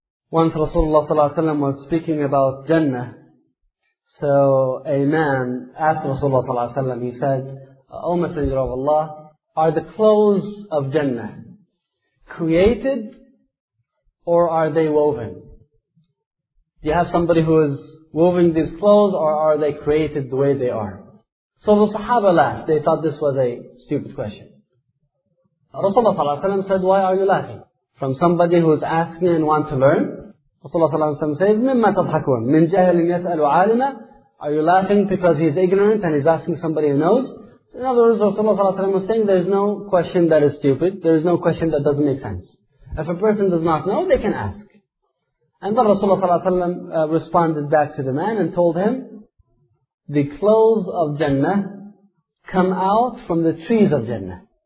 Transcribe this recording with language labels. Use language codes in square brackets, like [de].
[en] Once Rasulullah صلى الله عليه وسلم was speaking about Jannah, so a man asked Rasulullah صلى الله عليه وسلم, he said, O Messenger of Allah, are the clothes of Jannah created or are they woven? Do you have somebody who is woving these clothes or are they created the way they are? So the Sahaba laughed. They thought this was a stupid question. Rasulullah صلى الله عليه وسلم said, why are you laughing? From somebody who is asking and want to learn? [ar] Rasulullah صلى الله عليه وسلم [en] says, [ar] مِمَّا تَضْحَكُونَ مِنْ جَهْلٍ يَسْأَلُ عَالِمًا. [en] Are you laughing because he's ignorant and he's asking somebody who knows? So in other words, Rasulullah صلى الله عليه وسلم was saying, there is no question that is stupid. There is no question that doesn't make sense. If a person does not know, they can ask. And then Rasulullah صلى الله عليه وسلم responded back to the man and told him, the clothes of Jannah come out from the trees of Jannah.